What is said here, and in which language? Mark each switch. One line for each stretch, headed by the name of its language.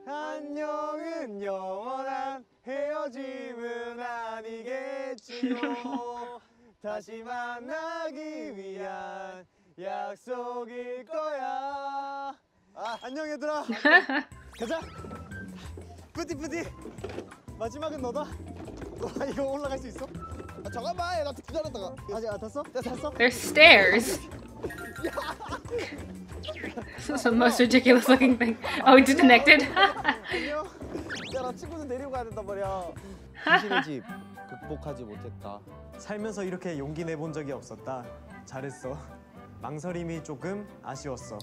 Korean: 안녕은 영원한 헤어짐은 아니겠지요 다시 만나기 위한 약속일 거야 아 안녕 얘들아 가자 뿌디뿌디 마지막은 너다 너 이거 올라갈 수 있어? 아 잠깐만 얘 나한테 기다렸다가 아직 아, 탔어? 야 탔어?
English: There's stairs This is the most ridiculous looking thing. Oh, it disconnected.
Korean: 야, 나 친구들 데리고 가야 된단 말이야. 당신의 집 극복하지 못했다. 살면서 이렇게 용기 내본 적이 없었다. 잘했어. 망설임이 조금 아쉬웠어.